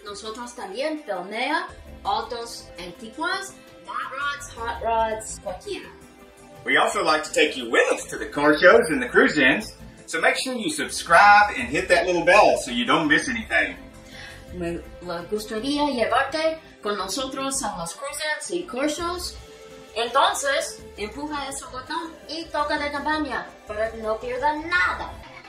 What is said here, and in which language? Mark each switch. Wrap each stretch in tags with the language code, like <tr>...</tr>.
<es>Nosotros también filmea autos antiguos, mod rods, hot rods, cualquiera.</es> <en>We also like to take you with us to the car shows and the cruise-ins, so make sure you subscribe and hit that little bell so you don't miss anything.</en> <es>Me gustaría llevarte con nosotros a los cruise-ins y car shows. Entonces, empuja ese botón y toca la campana para que no pierda nada.</es>